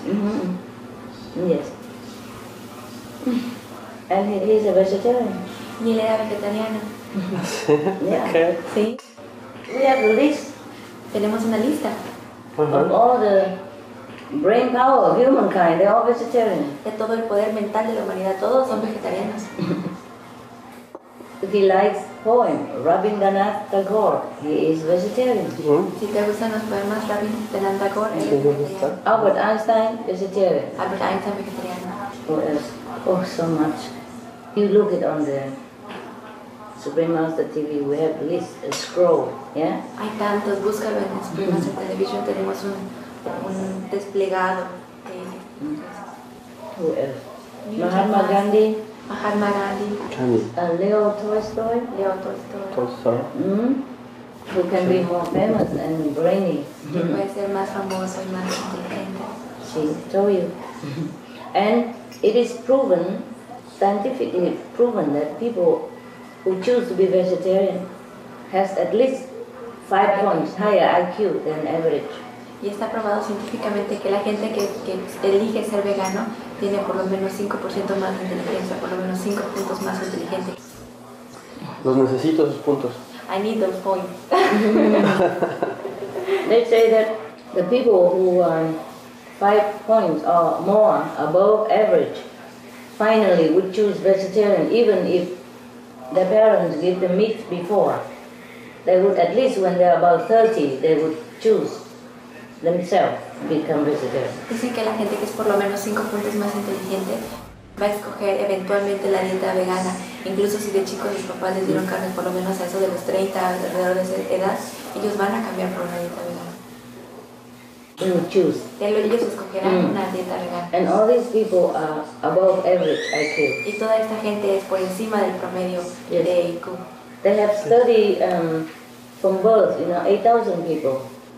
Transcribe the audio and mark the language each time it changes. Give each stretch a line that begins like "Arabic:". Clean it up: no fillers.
English: Mm-hmm. Yes. And he's a vegetarian.
Spanish: Y él era vegetariano.
English: Yeah. Okay. See? We have a list.
Spanish: Tenemos una lista. Uh-huh.
English: All the brain power of humankind, they're all vegetarian.
Spanish: De todo el poder mental de la humanidad, todos son vegetarianos.
English: If he likes poem, Rabindranath Tagore, he is vegetarian.
Spanish: Mm-hmm. Si te gustan los poemas, Rabindranath Tagore,
English: yeah. Albert Einstein, vegetarian. Albert Einstein, vegetarian. Who else? Oh, so much. You look it on the Supreme Master TV, we have a list, a scroll, yeah?
Spanish: Hay tantos, búscalo en Supreme Master Television, tenemos un desplegado. Mm-hmm.
English: Who else? Mahatma Gandhi. Mahatma Gandhi. Leo Tolstoy. Mm-hmm. Who can be more famous and brainy? She told you. And it is proven, scientifically proven, that people who choose to be vegetarian has at least 5 points higher IQ than average.
Spanish: Y está probado científicamente que la gente que elige ser vegano tiene por lo menos 5% más de inteligencia, por lo menos 5 puntos más inteligente. Los necesito esos puntos.
English: I need those points. They say that the people who are 5 points or more above average finally would choose vegetarian even if their parents give them meat before. They would at least when they're about 30, they would choose themselves become vegetarian.
Spanish: Dicen que la gente que es por lo menos 5 puntos más inteligente va a escoger eventualmente la dieta vegana. Incluso si de chicos sus papás les dieron carne por lo menos a eso de los 30, alrededor de esa edad, ellos van a cambiar por una dieta vegana.
English: They will choose.
Spanish: Ellos escogerán una dieta vegana.
English: And all these people are above average IQ.
Spanish: Y toda esta gente es por encima del promedio de IQ.
English: They have studied from birth, you know, 8,000 people.